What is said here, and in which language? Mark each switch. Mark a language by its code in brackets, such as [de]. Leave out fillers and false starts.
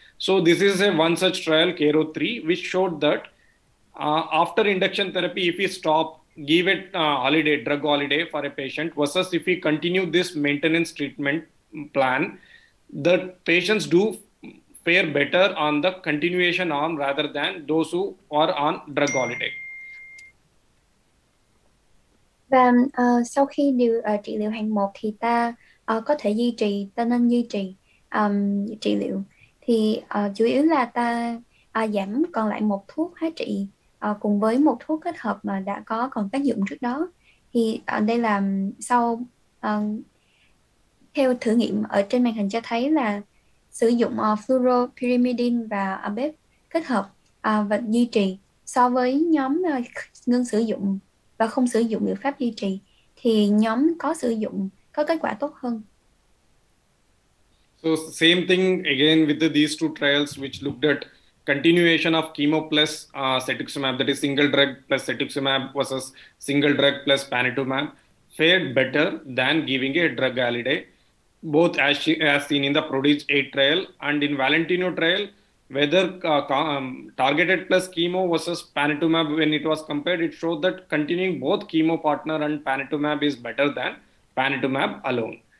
[en] So this is a one such trial, KARO-3, which showed that after induction therapy, if we stop, give it holiday, drug holiday for a patient, versus if we continue this maintenance treatment plan, the patients do fare better on the continuation arm rather than those who are on drug holiday. [vi] Và sau khi điều trị liệu hạng một thì ta có thể duy trì, ta nên duy trì trị liệu. Thì chủ yếu là ta giảm còn lại một thuốc hóa trị cùng với một thuốc kết hợp mà đã có còn tác dụng trước đó. Thì đây là sau theo thử nghiệm ở trên màn hình cho thấy là sử dụng fluoropyrimidine và ABEP kết hợp và duy trì so với nhóm ngưng sử dụng và không sử dụng liệu pháp duy trì thì nhóm có sử dụng có kết quả tốt hơn. [en] So same thing again with these two trials, which looked at continuation of chemo plus cetuximab, that is single drug plus cetuximab versus single drug plus panitumab, fared better than giving a drug holiday, both as seen in the PRODIGE-8 trial and in VALENTINO trial, whether targeted plus chemo versus panitumab, when it was compared, it showed that continuing both chemo partner and panitumab is better than panitumab alone.